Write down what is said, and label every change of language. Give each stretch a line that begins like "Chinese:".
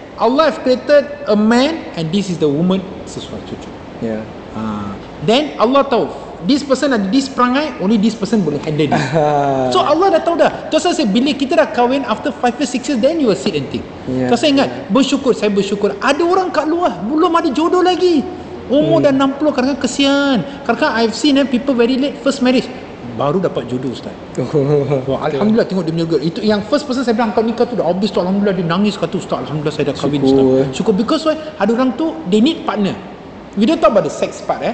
English: Allah has created a man and this is the woman
Malay: sesuai cucu.
English: Yeah. Then Allah tahu this person ada this perangai, only this person boleh handle dia.
Malay: So Allah dah tahu dah. Terus saya bila kita dah kahwin
English: after 5 years, 6 years, then you will sit and think.
Malay: Terus saya ingat, bersyukur, saya bersyukur. Ada orang kat luar, belum ada jodoh lagi. Umur dah 60, kadang-kadang kesian.
English: Kadang-kadang I've seen people very late, first marriage.
Malay: Baru dapat jodoh ustaz. Wah, Alhamdulillah tengok dia menyergut. Itu yang first person saya bilang kau nikah tu dah habis tu. Alhamdulillah dia nangis kata ustaz, Alhamdulillah saya dah kahwin syukur. Ustaz. Syukur, because why? Ada orang tu,
English: they need partner. We don't talk about the sex part eh.